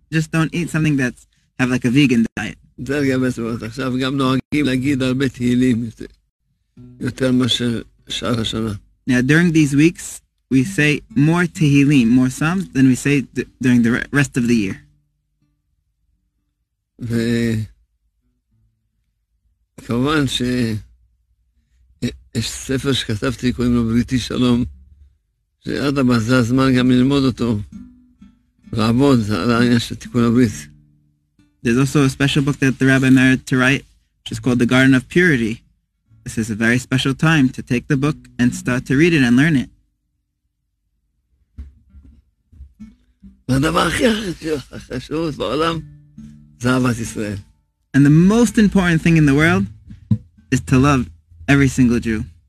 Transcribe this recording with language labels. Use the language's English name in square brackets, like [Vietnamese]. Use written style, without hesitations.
[English] Just don't eat something that's have like a vegan diet. Now during these weeks, we say more Tehillim, more Psalms, than we say during the rest of the year. [Hebrew] יש ספר שכתבתי, קוראים לו בריתי שלום, שעד הבא זה הזמן גם ללמוד אותו, לעבוד על העניין של תיקון הברית. [English] There's also a special book that the rabbi married to write, which is called The Garden of Purity. This is a very special time to take the book and start to read it and learn it. [Hebrew] והדבר הכי חשוב בעולם זה אהבת ישראל. [English] And the most important thing in the world is to love every single Jew.